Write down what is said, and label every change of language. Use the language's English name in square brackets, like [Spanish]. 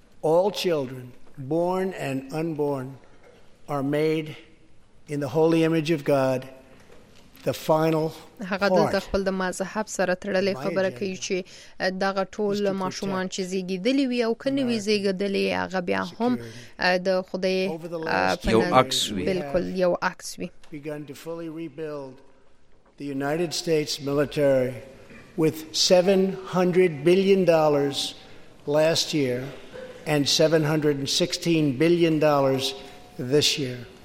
[English] All children, born and unborn, are made in the holy image of God, the final [Pashto] هغه د خپل د مذهب سره تړلې خبره کوي چې دغه ټول ماشومان چې زیږیدلی وي او کنه وی زیږیدلی هغه بیا هم د خدای بالکل یو عکس وي [English] begun to fully rebuild the United States military with $700 billion last year and $716 billion this year.